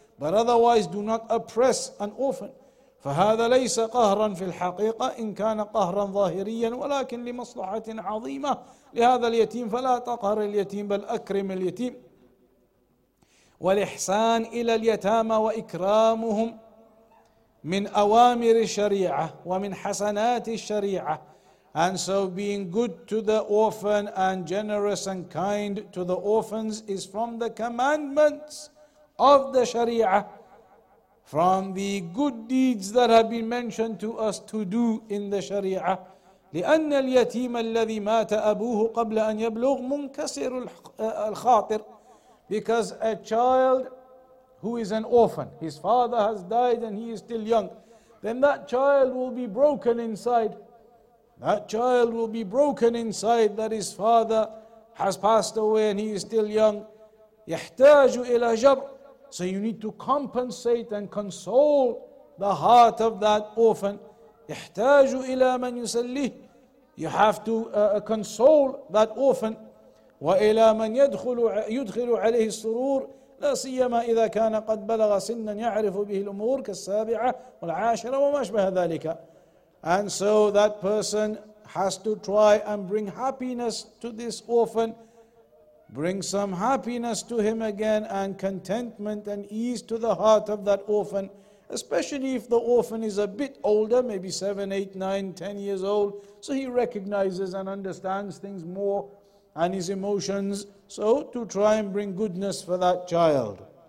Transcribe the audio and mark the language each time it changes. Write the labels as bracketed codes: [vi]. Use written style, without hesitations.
[ar] But otherwise, do not oppress an orphan. فَهَذَا لَيْسَ قَهْرًا فِي الْحَقِيقَةِ إِنْ كَانَ قَهْرًا ظَاهِرِيًّا وَلَكِنْ لِمَصْلُحَةٍ عَظِيمَةٍ لِهَذَا الْيَتِيمِ فَلَا تَقْهَرِ الْيَتِيمِ بَلْ أَكْرِمِ الْيَتِيمِ وَالْإِحْسَانِ إِلَى الْيَتَامَ وَإِكْرَامُهُمْ مِنْ أَوَامِرِ الشَّرِيعَةِ وَمِنْ حَسَنَاتِ الشَّرِيعَةِ. [en] And so being good to the orphan and generous and kind to the orphans is from the commandments of the Sharia, from the good deeds that have been mentioned to us to do in the Sharia. [ar] لأن اليتيم الذي مات أبوه قبل أن يبلغ منكسر الخاطر. [en] Because a child who is an orphan, his father has died and he is still young, then that child will be broken inside. That child will be broken inside that his father has passed away and he is still young. [ar] يحتاج إلى جبر. [en] So you need to compensate and console the heart of that orphan. يحتاج إلى من يسليه. You have to console that orphan. [ar] وإلى من يدخل عليه السرور. لا سيما إذا كان قد بلغ سنا يعرف به الأمور كالسابعة والعاشرة وما أشبه ذلك. [en] And so that person has to try and bring happiness to this orphan, bring some happiness to him again and contentment and ease to the heart of that orphan, especially if the orphan is a bit older, maybe 7, 8, 9, 10 years old, so he recognizes and understands things more and his emotions, so to try and bring goodness for that child.